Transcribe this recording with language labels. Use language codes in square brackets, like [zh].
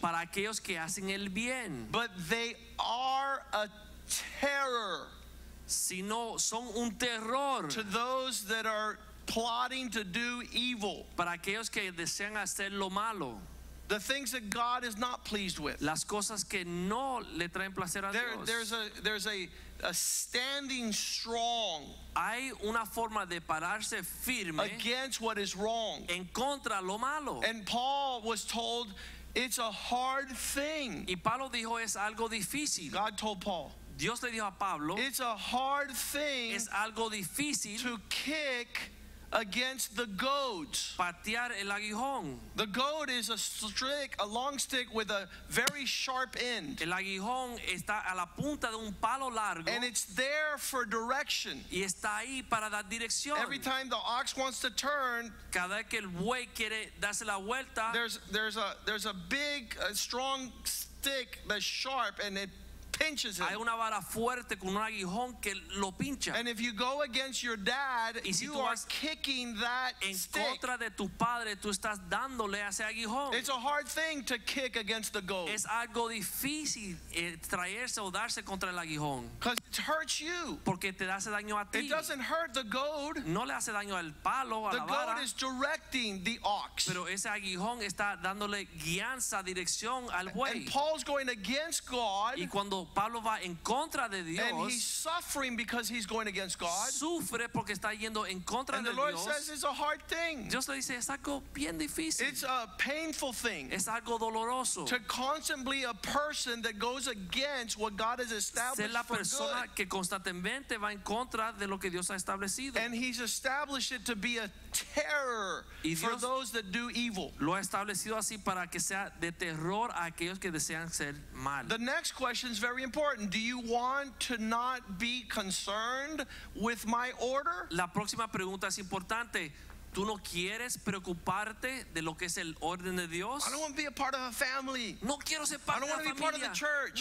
[es] para aquellos que hacen el bien. [en] But they are a terror, [es] sino son un terror, [en] to those that are plotting to do evil, [es] para aquellos que desean hacer lo malo, [en] the things that God is not pleased with, [es] las cosas que no le traen placer a [en] there, [es] Dios. [en] There's a standing strong, [es] hay una forma de pararse firme [en] against what is wrong, [es] en contra lo malo. [en] And Paul was told it's a hard thing. [es] Y Pablo dijo es algo difícil. [en] God told Paul, [es] Dios le dijo a Pablo, [en] it's a hard thing, [es] es algo difícil, [en] to kick against the goads. [es] Patear el aguijón. [en] The goad is a stick, a long stick with a very sharp end. [es] El aguijón está a la punta de un palo largo. [en] And it's there for direction. [es] Y está ahí para dar dirección. [en] Every time the ox wants to turn, [es] cada vez que el buey quiere darse la vuelta, [en] there's a big, a strong stick that's sharp, and it pinches him. [es] Hay una vara fuerte con un aguijón que lo pincha. [en] And if you go against your dad, you are kicking that [es] en contra [en] stick. [es] De tu padre, tú estás dándole a ese aguijón. [en] It's a hard thing to kick against the goat. [es] Es algo difícil traerse o darse contra el aguijón. [en] Because it hurts you. [es] Porque te hace daño a ti. [en] It doesn't hurt the goat. [es] No le hace daño al palo, a [en] the [es] la vara. [en] Goat is directing the ox. [es] Pero ese aguijón está dándole guianza, dirección al buey. [en] And Paul's going against God. [es] Y cuando Pablo va en contra de Dios, [en] and he's suffering because he's going against God. [es] Sufre porque está yendo en contra de Dios. [en] And the Lord says it's a hard thing. [es] Dios le dice, es algo bien difícil. [en] It's a painful thing. [es] Es algo doloroso. [en] To constantly a person that goes against what God has established. [es] Ser la persona que constantemente va en contra de lo que Dios ha establecido. [en] And he's established it to be a terror for those that do evil. [es] Lo ha establecido así para que sea de terror a aquellos que desean ser mal. [en] The next question is very important. Do you want to not be concerned with my order? [es] La próxima pregunta es importante. ¿Tú no quieres preocuparte de lo que es el orden de Dios? [en] I don't want to be a part of a family. [es] No quiero ser parte de la familia. [en] I don't want to be part of the church.